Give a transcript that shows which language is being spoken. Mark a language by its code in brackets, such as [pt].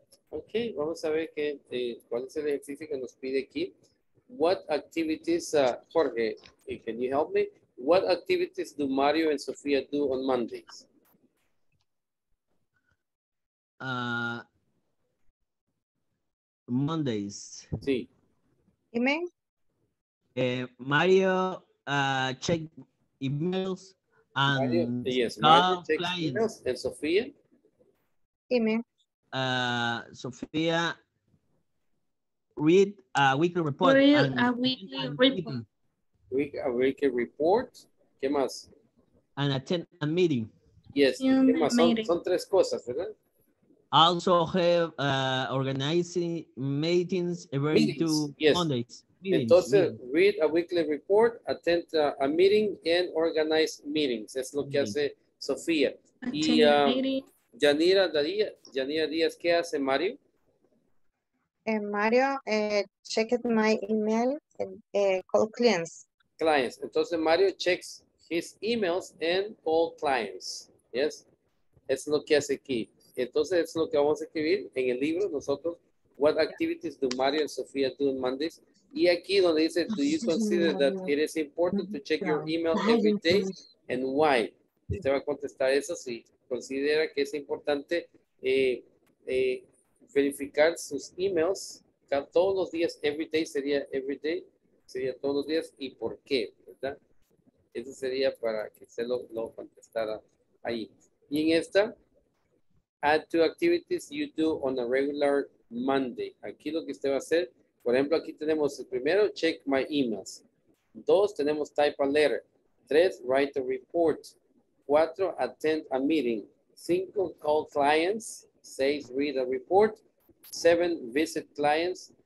[es] Okay, vamos a ver que, cuál es el ejercicio que nos pide aquí. [en] What activities, Jorge, can you help me? What activities do Mario and Sofia do on Mondays? Mondays. [es] Sí. [en] Email. Mario check emails and Mario, yes, Mario checks clients. Emails. And Sofia. Email. Sofia read a weekly report. Read a weekly report. Week a weekly report. [es] ¿Qué más? [en] And attend a meeting. [es] Yes. ¿Qué más? Son tres cosas, ¿verdad? [en] Also have organizing meetings every two yes. Mondays. [es] Entonces, meetings. [en] Read a weekly report, attend a meeting, and organize meetings. [es] Es lo que hace Sofía. Y Yanira Díaz, Yanira Díaz, ¿qué hace Mario? [en] Mario, check my email and call clients. Clients. Entonces, Mario checks his emails and call clients. [es] Yes. Es lo que hace aquí. Entonces, es lo que vamos a escribir en el libro, nosotros. [en] What activities do Mario and Sofia do on Mondays? [es] Y aquí donde dice, [en] do you consider that it is important to check your email every day? And why? [es] Usted va a contestar eso si considera que es importante verificar sus emails. Todos los días, every day sería every day. Sería todos los días. ¿Y por qué? ¿Verdad? Eso sería para que usted lo contestara ahí. Y en esta... [en] Add to activities you do on a regular Monday. [es] Aquí lo que usted va a hacer, por ejemplo, aquí tenemos el primero, [en] check my emails. [es] Dos, tenemos [en] type a letter. Tres, write a report. Cuatro, attend a meeting. Cinco, call clients. Seis, read a report. Seven, visit clients.